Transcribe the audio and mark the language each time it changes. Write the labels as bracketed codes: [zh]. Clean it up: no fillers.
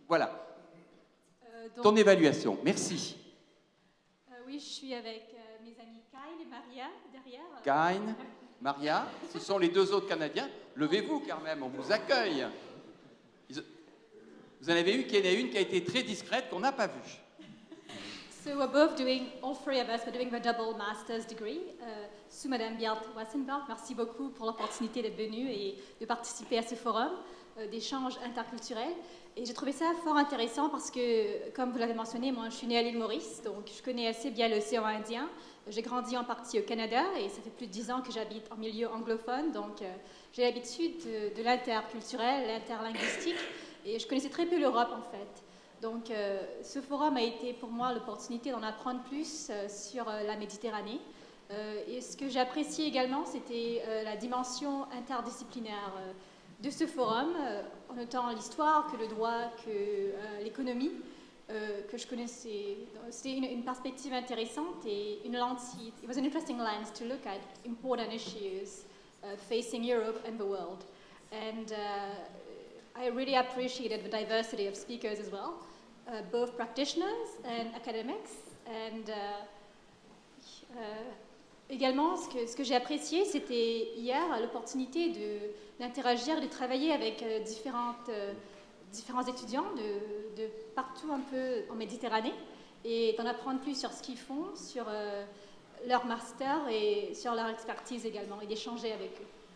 [fr] Voilà. Ton évaluation. Merci. Oui, je suis avec mes amis Kyle et Maria, derrière. Kyle, Maria, ce sont les deux autres Canadiens. Levez-vous, quand même, on vous accueille. Vous en avez eu qu'il y en a une qui a été très discrète, qu'on n'a pas vue. [en] So we're both doing, all three of us, we're doing the double master's degree [fr] sous Madame Bjart Wassenberg. Merci beaucoup pour l'opportunité d'être venue et de participer à ce forum d'échanges interculturels. Et j'ai trouvé ça fort intéressant parce que, comme vous l'avez mentionné, moi je suis née à l'île Maurice, donc je connais assez bien l'océan Indien. J'ai grandi en partie au Canada et ça fait plus de 10 ans que j'habite en milieu anglophone, donc j'ai l'habitude de l'interculturel, l'interlinguistique, et je connaissais très peu l'Europe en fait. Donc ce forum a été pour moi l'opportunité d'en apprendre plus sur la Méditerranée. Et ce que j'ai apprécié également, c'était la dimension interdisciplinaire de ce forum, en autant l'histoire que le droit, que l'économie, que je connaissais. Donc, c'était une perspective intéressante et une lentille. [en] It was an interesting lens to look at important issues facing Europe and the world. And I really appreciated the diversity of speakers as well, both practitioners and academics. [fr] And également, ce que j'ai apprécié, c'était hier l'opportunité d'interagir, de travailler avec différents étudiants de partout un peu en Méditerranée et d'en apprendre plus sur ce qu'ils font, sur leur master et sur leur expertise également, et d'échanger avec eux.